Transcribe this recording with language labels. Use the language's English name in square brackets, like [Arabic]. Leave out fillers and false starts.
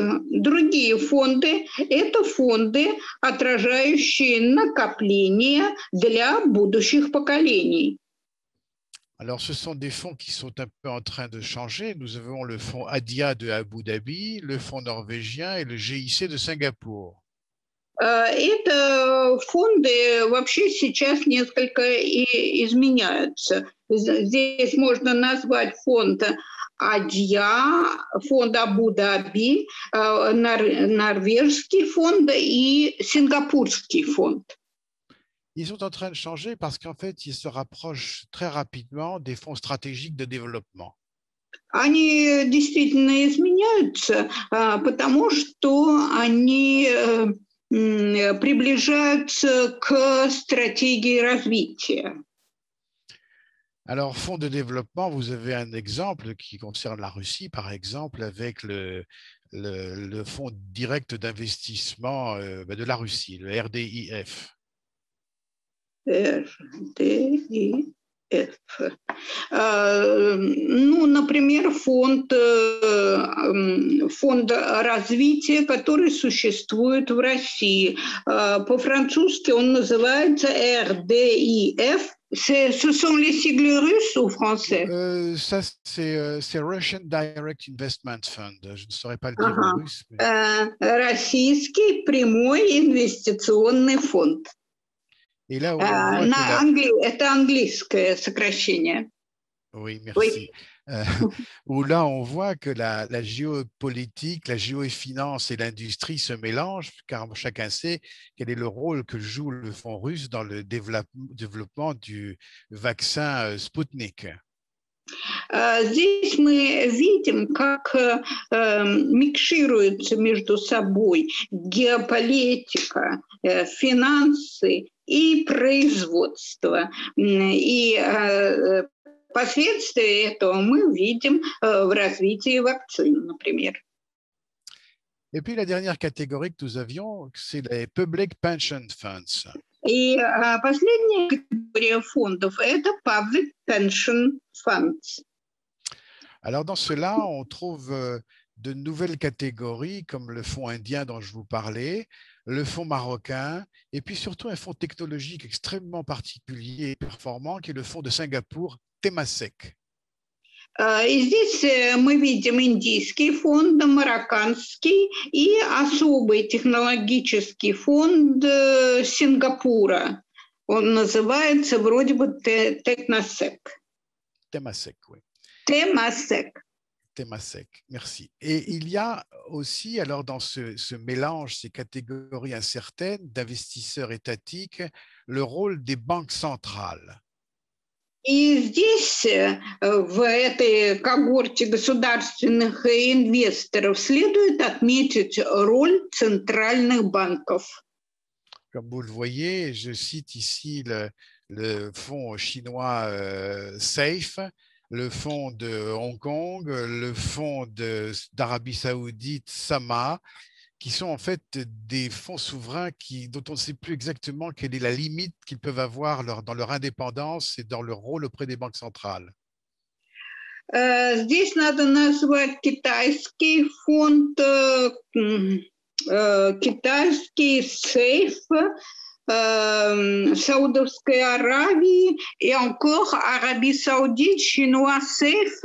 [Russian] Другие фонды – это фонды, отражающие накопления для будущих поколений. [French] Alors, ce sont des fonds qui sont un peu en train de changer. Nous avons le fonds ADIA de Abu Dhabi, le fonds norvégien et le GIC de Singapour. [Russian] Это фонды вообще сейчас несколько изменяются. Здесь можно назвать фонд Адья, фонд Абу-Даби, норвежский фонд и сингапурский фонд. [French] Ils sont en train de changer parce qu'en fait, ils se rapprochent très rapidement des fonds stratégiques de développement. [Russian] Они действительно изменяются, потому что они приближаются к стратегии развития. [French] Alors, fonds de développement, vous avez un exemple qui concerne la Russie, par exemple, avec le fonds direct d'investissement de la Russie, le RDIF. RDIF. [Russian] Ну, например, фонд развития, который существует в России. По-французски он называется RDIF. [French] Ce sont les sigles russes ou français? Ça, c'est Russian Direct Investment Fund. Je ne saurais pas le dire en russe. Mais... [Russian] Российский прямой инвестиционный фонд. [French] Et là, on voit que [Russian] на [French] la... [Russian] англи это английское сокращение. [French] Oui, Oui. merci. Où là, on voit que la géopolitique, la géofinance et l'industrie se mélangent, car chacun sait quel est le rôle que joue le fonds russe dans le développement du vaccin Sputnik. [Russian] Здесь мы видим, как микшируются между собой геополитика, финансы и производство. И последствия этого мы видим в развитии вакцин, например. [French] Et puis la dernière catégorie que nous avions, c'est les [English] public pension funds. [Russian] И последняя категория фондов – это [English] public pension funds. [French] Alors dans cela, on trouve de nouvelles catégories comme le fonds indien dont je vous parlais, le fonds marocain, et puis surtout un fonds technologique extrêmement particulier et performant qui est le fonds de Singapour, Temasek. [Russian] И здесь мы видим индийский фонд, марокканский и особый технологический фонд Сингапура. Он называется вроде бы Temasek. [French] Temasek, oui. Temasek. Temasek, merci. Et il y a aussi, alors dans ce mélange, ces catégories incertaines d'investisseurs étatiques, le rôle des banques centrales. [Russian] И здесь, в этой когорте государственных инвесторов, следует отметить роль центральных банков. [French] Comme vous le voyez, je cite ici le fonds chinois SAFE, le fonds de Hong Kong, le fonds d'Arabie Saoudite SAMA, qui sont en fait des fonds souverains dont on ne sait plus exactement quelle est la limite qu'ils peuvent avoir dans leur indépendance et dans leur rôle auprès des banques centrales. [Russian] Здесь надо назвать китайский фонд, китайский сейф Саудовской Аравии и [French] encore Arabie Saoudite, chinois [Russian] сейф